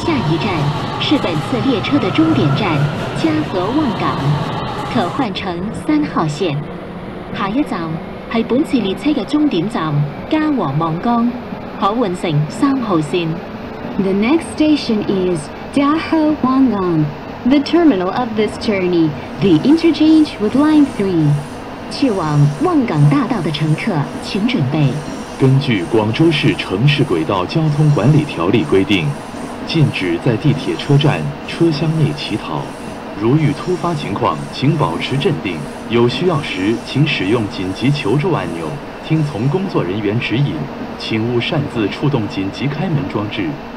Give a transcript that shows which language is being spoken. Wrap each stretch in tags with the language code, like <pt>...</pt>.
<zh>下一站是本次列车的终点站嘉禾旺港，可换乘三号线。下一站是本次列车的终点站嘉禾望江，可换乘三号线。</zh> <en>The next station is 嘉禾旺港。 The terminal of this journey, the interchange with Line 3.</en> <zh>去往旺港大道的乘客请准备。根据广州市城市轨道交通管理条例规定，禁止在地铁车站车厢内乞讨，如遇突发情况请保持镇定，有需要时请使用紧急求助按钮，听从工作人员指引，请勿擅自触动紧急开门装置。</zh>